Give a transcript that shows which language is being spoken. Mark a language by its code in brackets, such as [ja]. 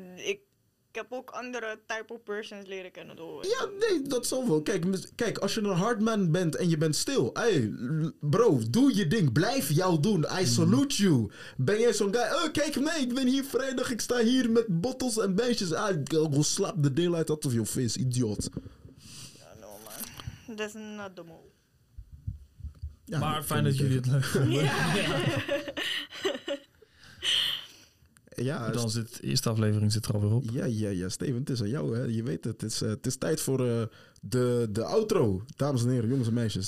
[nl] Ik heb ook andere [en] type of persons [nl] leren kennen door. Ja, nee, dat zal wel. Kijk, als je een hard man bent en je bent stil. [en] Hey, bro, [nl] doe je ding. Blijf jou doen. [en] I salute you. [nl] Ben jij zo'n guy? Oh, kijk mee. Ik ben hier vrijdag. Ik sta hier met bottles en beestjes. [en] I'll go slap the daylight out of your face, idiot. Ja, no, man. That's not the move. [nl] Ja, maar fijn dat jullie het leuk vonden. Ja, dan zit de eerste aflevering zit er alweer op. Ja. Steven, het is aan jou. Hè. Je weet het. Het is tijd voor de outro. Dames en heren, jongens en meisjes.